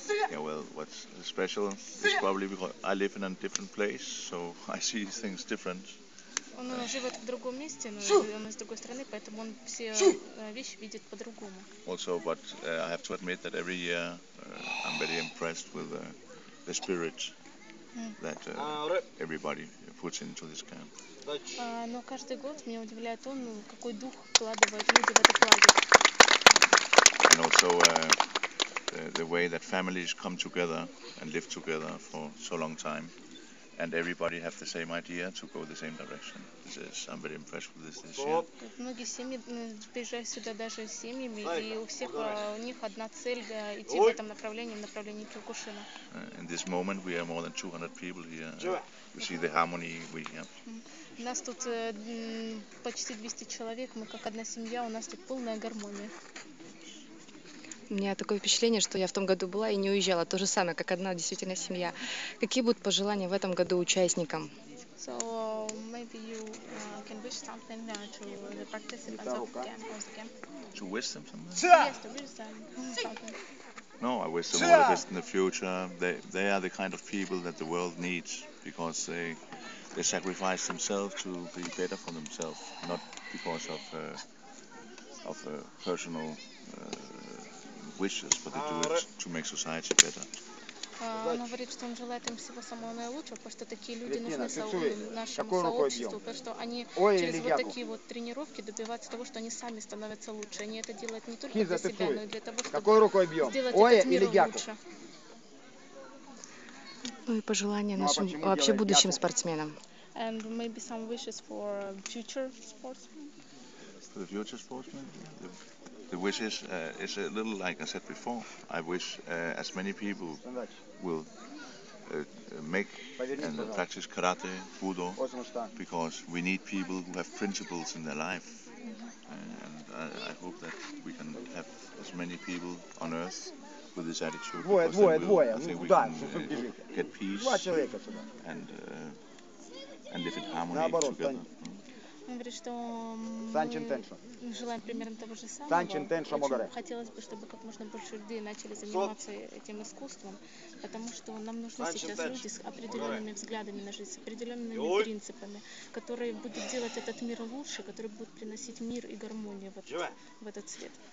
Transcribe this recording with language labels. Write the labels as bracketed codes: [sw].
[en] Yeah, well, what's special is probably because I live in a different place, so I see things different. [ru] Он живет в другом месте, но он из другой страны, поэтому он все вещи видит по-другому. [en] Also, but I have to admit that every year I'm very impressed with the spirit that everybody puts into this camp. [ru] Но каждый год меня удивляет он, какой дух вкладывают люди в этот лагерь. [en] And also the way that families come together and live together for so long time. And everybody have the same idea to go the same direction. This is, I'm very impressed with this year. [ru] Многие семьи приезжают сюда даже с семьями, и у всех у них одна цель идти в этом направлении, в направлении Киокушина. [en] In this moment we are more than 200 people here. You see the harmony we have. [ru] У нас тут почти 200 человек, мы как одна семья, у нас тут полная гармония. У меня такое впечатление, что я в том году была и не уезжала. То же самое, как одна действительно семья. Какие будут пожелания в этом году участникам? [en] So, maybe you can wish something to the participants of the camp. To wish them something? Yes, to wish them something. No, I wish them all the best in the future. They are the kind of people that the world needs because they sacrifice themselves to be better for themselves, not because of a personal wishes, but they do it to make society better. [ru] Он говорит, что он желает им всего самого наилучшего, потому что такие люди нужны нашему сообществу, потому что они через вот такие вот тренировки добиваются того, что они сами становятся лучше. Они это делают не только для себя, но и для того, чтобы сделать этот мир лучше. Ну и пожелания нашим вообще будущим спортсменам. [en] And maybe some wishes for future sportsmen. For the future sportsmen, the wishes is a little like I said before. I wish as many people will make and practice karate, budo, because we need people who have principles in their life. And I hope that we can have as many people on earth with this attitude. I think we can get peace and live in harmony together. [ru] Он говорит, что мы желаем примерно того же самого. Хотелось бы, чтобы как можно больше людей начали заниматься этим искусством, потому что нам нужны сейчас люди с определенными взглядами на жизнь, с определенными принципами, которые будут делать этот мир лучше, которые будут приносить мир и гармонию в этот свет.